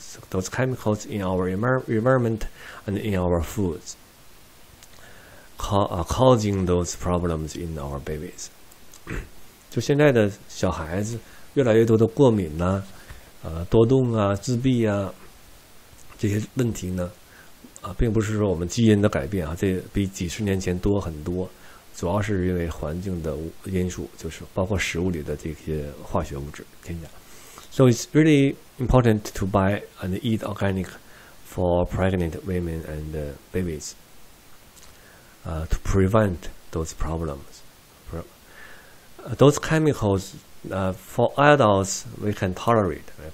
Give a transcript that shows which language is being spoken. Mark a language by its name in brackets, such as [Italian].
[English] Those chemicals in our environment and in our foods causing those problems in our babies. [Chinese] 就现在的小孩子越来越多的过敏啊，多动啊，自闭啊，这些问题呢，并不是说我们基因的改变啊，这比几十年前多很多，主要是因为环境的因素，就是包括食物里的这些化学物质添加。 [English] So it's really important to buy and eat organic for pregnant women and babies to prevent those problems. Those chemicals for adults we can tolerate, right?